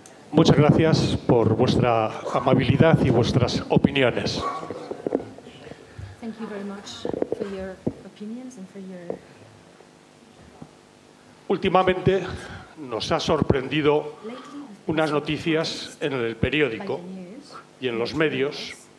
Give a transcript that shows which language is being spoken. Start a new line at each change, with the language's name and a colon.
Spanish: Muchas gracias por vuestra amabilidad y vuestras opiniones.
English: Thank you very much for your opinions and for your...
Spanish: Últimamente nos ha sorprendido unas noticias en el periódico y en los medios.